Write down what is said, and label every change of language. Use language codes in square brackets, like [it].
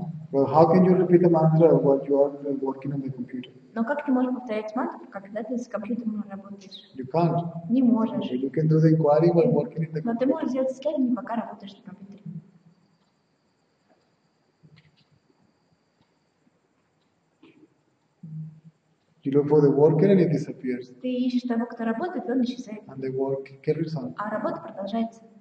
[en] Well, how can you repeat the mantra while you are working on the computer? [ru] Но как ты можешь повторять мантру, когда ты с компьютером работаешь? [en] You can't. [ru] Не можешь. [en] You can do the inquiry while working in the computer. [ru] Но ты можешь сделать исследование, пока работаешь на компьютере. [en] You look for the worker and it disappears. [ru] Ты ищешь того, кто работает, и он исчезает. [en] And the work carries on. [ru] А работа продолжается.